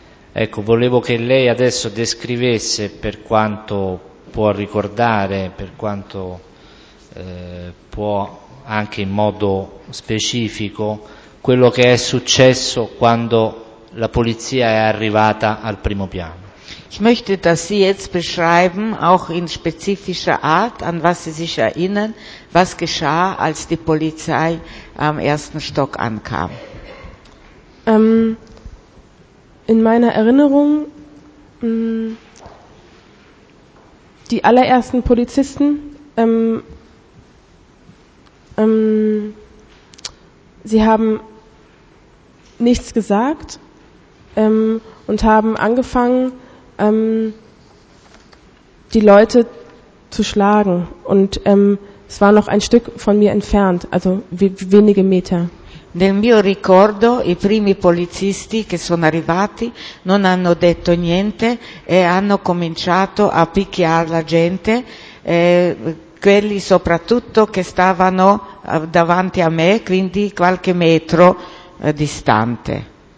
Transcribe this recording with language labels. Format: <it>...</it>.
<it>Ecco, volevo che lei adesso descrivesse, per quanto può ricordare, per quanto può anche in modo specifico, quello che è successo quando la polizia è arrivata al primo piano.</it> <de>Ich möchte, dass Sie jetzt beschreiben, auch in spezifischer Art, an was Sie sich erinnern, was geschah, als die Polizei am ersten Stock ankam. In meiner Erinnerung, die allerersten Polizisten, sie haben nichts gesagt und haben angefangen, die Leute zu schlagen. Und es war noch ein Stück von mir entfernt, also wenige Meter.</de> <it>Nel mio ricordo i primi polizisti che sono arrivati non hanno detto niente e hanno cominciato a picchiare la gente, quelli soprattutto che stavano davanti a me, quindi qualche metro distante.</it>